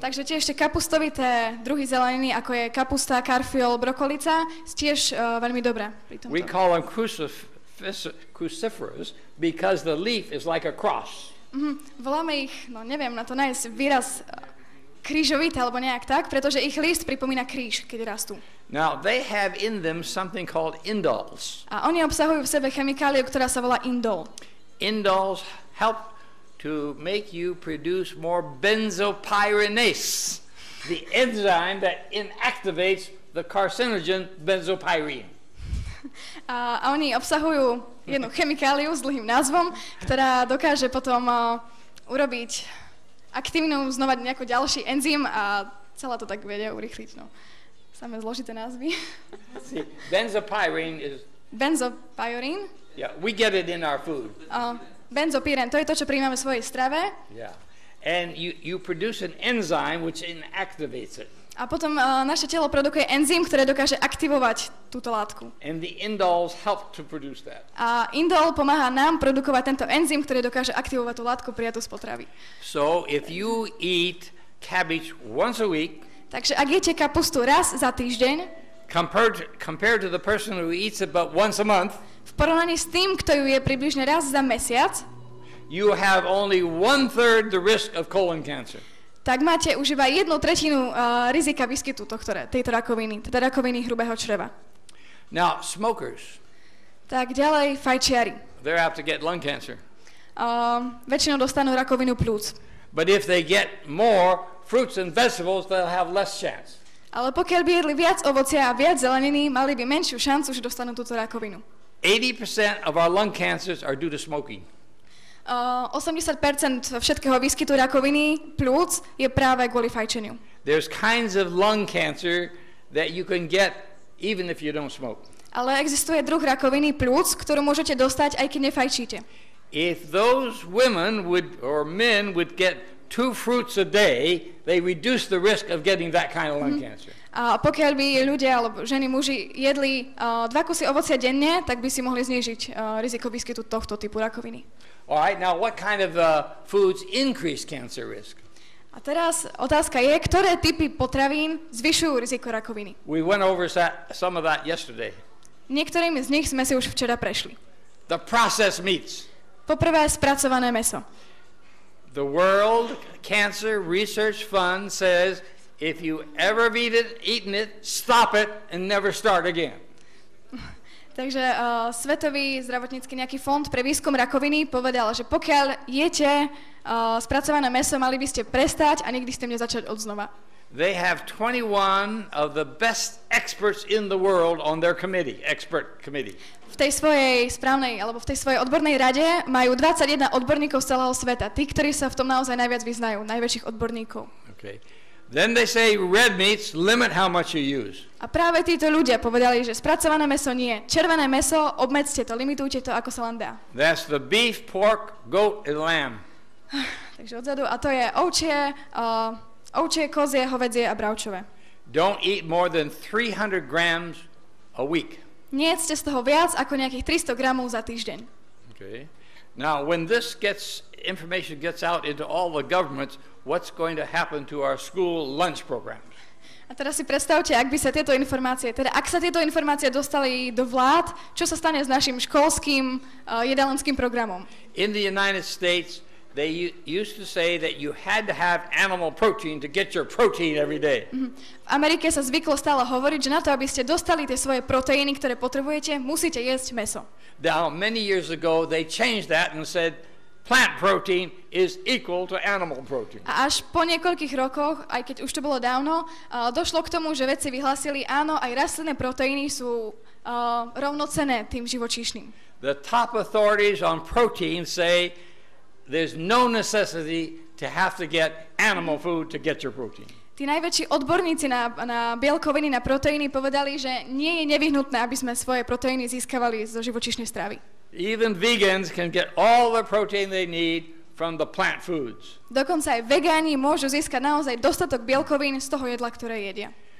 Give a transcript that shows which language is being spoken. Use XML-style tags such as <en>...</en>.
<sk>Takže tie ešte kapustovité druhy zeleniny, ako je kapusta, karfiol, brokolica, tiež veľmi dobré.</sk> <en>We call them cruciferous because the leaf is like a cross.</en> <sk>Voláme ich, neviem na to nájsť výraz, krížovité alebo nejak tak, pretože ich list pripomína kríž, keď rastú.</sk> <en>Now they have in them something called indoles.</en> <sk>A oni obsahujú v sebe chemikáliu, ktorá sa volá indol.</sk> <en>Indoles help to make you produce more benzopyrenase, the enzyme that inactivates the carcinogen benzopyrene.</en> <sk>A oni obsahujú jednu chemikáliu s dlhým názvom, ktorá dokáže potom urobiť aktívnu znova nejaký ďalší enzym a celá to tak vedia urýchliť. No, samé zložité názvy.</sk> <en>See, benzopyrene is... Benzopyrene? Yeah, we get it in our food.</en> <sk>Benzopyren, to je to, čo prijímame v svojej strave.</sk> <en>Yeah. And you produce an enzyme which inactivates it.</en> <sk>A potom naše telo produkuje enzym, ktoré dokáže aktivovať túto látku.</sk> <en>And the indoles help to produce that.</en> <sk>A indol pomáha nám produkovať tento enzym, ktorý dokáže aktivovať tú látku prijatú z potravy.</sk> <en>So if you eat cabbage once a week,</en> <sk>takže ak jete kapustu raz za týždeň,</sk> <en>compared to the person who eats it but once a month,</en> <sk>v porovnaní s tým, kto ju je približne raz za mesiac,</sk> <en>you have only one-third the risk of colon cancer.</en> <sk>Tak máte už iba jednu tretinu rizika výskytu tejto rakoviny, teda rakoviny hrubého čreva.</sk> <en>Now, smokers.</en> <sk>Tak ďalej, fajčiari.</sk> <en>They're apt to get lung cancer.</en> <sk>Väčšinou dostanú rakovinu pľúc.</sk> <en>But if they get more fruits and vegetables, they'll have less chance.</en> <sk>Ale pokiaľ by jedli viac ovocia a viac zeleniny, mali by menšiu šancu, že dostanú túto rakovinu.</sk> <en>80% of our lung cancers are due to smoking.</en> <sk>80% všetkého výskytu rakoviny pľúc je práve kvôli fajčeniu.</sk> <en>There's kinds of lung cancer that you can get even if you don't smoke.</en> <sk>Ale existuje druh rakoviny pľúc, ktorú môžete dostať aj keď nefajčíte.</sk> <en>If those women would or men would get 2 fruits a day, they reduce the risk of getting that kind of lung cancer.</en> <sk>A pokiaľ by ľudia alebo ženy, muži jedli 2 kusy ovocia denne, tak by si mohli znížiť riziko výskytu tohto typu rakoviny.</sk> <en>All right, now what kind of foods increase cancer risk?</en> <sk>A teraz otázka je, ktoré typy potravín zvyšujú riziko rakoviny?</sk> <en>We went over some of that yesterday.</en> <sk>Niektorými z nich sme si už včera prešli.</sk> <en>The processed meats.</en> <sk>Poprvé spracované meso.</sk> <en>The World Cancer Research Fund says if you ever eaten it, stop it and never start again.</en> <sk>Takže Svetový zdravotnícky nejaký fond pre výskum rakoviny povedal, že pokiaľ jete spracované meso, mali by ste prestať a nikdy ste nezačať od znova.</sk> <en>They have 21 of the best experts in the world on their committee, expert committee.</en> <sk>V tej svojej správnej alebo v tej svojej odbornej rade majú 21 odborníkov z celého sveta, tí, ktorí sa v tom naozaj najviac vyznajú, najväčších odborníkov.</sk> <en>Okay. Then they say red meats limit how much you use.</en> <sk>A práve títo ľudia povedali, že spracované meso nie, červené meso obmedzte to, limitujte to ako sa len dá.</sk> <en>That's the beef, pork, goat and lamb.</en> <sk>Takže odzadu a to je ovčie, ovčie, kozie, hovädzie a bravčové.</sk> <en>Don't eat more than 300 grams a week.</en> <sk>Nejedzte z toho viac ako nejakých 300 gramov za týždeň.</sk> <en>Okay. Now when this gets information gets out into all the governments, what's going to happen to our school lunch programs?</en> <sk>A teraz si predstavte, ak by sa tieto informácie, teda ak sa tieto informácie dostali do vlád, čo sa stane s našim školským jedálenským programom?</sk> <en>In the United States, they used to say that you had to have animal protein to get your protein every day.</en> <sk>V Amerike sa zvyklo stále hovoriť, že na to, aby ste dostali tie svoje proteíny, ktoré potrebujete, musíte jesť meso.</sk> <en>Now, many years ago, they changed that and said plant protein is equal to animal protein.</en> <sk>A až po niekoľkých rokoch, aj keď už to bolo dávno, došlo k tomu, že vedci vyhlásili, áno, aj rastlinné proteíny sú rovnocenné tým živočíšnym.</sk> <en>The top authorities on protein say there's no necessity to have to get animal food to get your protein.</en> <sk>Tí najväčší odborníci na bielkoviny, na proteíny povedali, že nie je nevyhnutné, aby sme svoje proteíny získavali zo živočíšnej stravy.</sk> <en>Even vegans can get all the protein they need from the plant foods.</en> <sk>Dokonca aj vegáni môžu získať naozaj dostatok bielkovín z toho jedla, ktoré jedia.</sk>